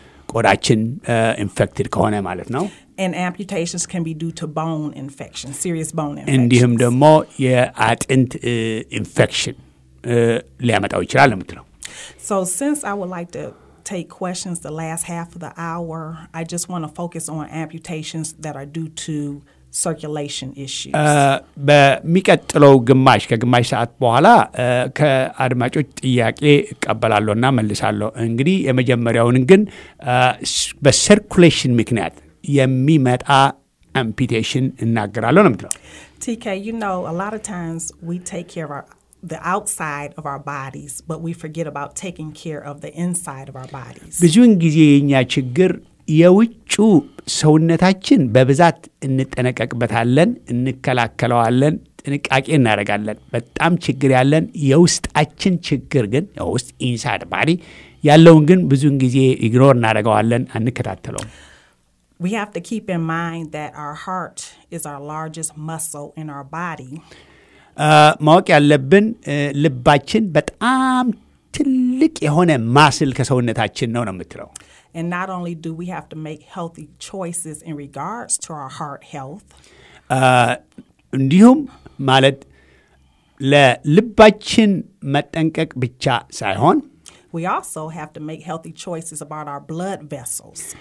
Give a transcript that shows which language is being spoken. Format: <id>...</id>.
<am>ቆዳችን infected ከሆነ ማለት ነው።</am> <en>And amputations can be due to bone infection, serious bone infection.</en> <am>እንዲሁም ደግሞ የአጥንት infection ሊያመጣው ይችላል ማለት ነው።</am> <en>So since I would like to take questions the last half of the hour, I just want to focus on amputations that are due to circulation issues.</en> <am>በሚቀጥለው ግማሽ ከግማሽ ሰዓት በኋላ ከአድማጮች ጥያቄ እቀበላለሁና መልሳለሁ። እንግዲህ የመጀመሪያውን ግን በሰርኩሌሽን ምክንያት የሚመጣ አምፒቴሽን እናገራለሁ ነው የምትለው።</am> <en>TK, you know, a lot of times we take care of the outside of our bodies, but we forget about taking care of the inside of our bodies.</en> <am>ብዙን ጊዜ የኛ ችግር የውጩ ሰውነታችን በብዛት እንጠነቀቅበታለን፣ እንከላከለዋለን፣ ጥንቃቄ እናደርጋለን። በጣም ችግር ያለን የውስጣችን ችግር ግን የውስጥ ኢንሳይድ ባዲ ያለውን ግን ብዙን ጊዜ ኢግኖር እናደርጋለን፣ አንከታተለውም።</am> <en>We have to keep in mind that our heart is our largest muscle in our body.</en> <am>ማወቅ ያለብን ልባችን በጣም ትልቅ የሆነ ማስል ከሰውነታችን ነው የምትለው።</am> <en>And not only do we have to make healthy choices in regards to our heart health.</en> <am>እንዲሁም ማለት ለልባችን መጠንቀቅ ብቻ ሳይሆን</am> <en>we also have to make healthy choices about our blood vessels.</en>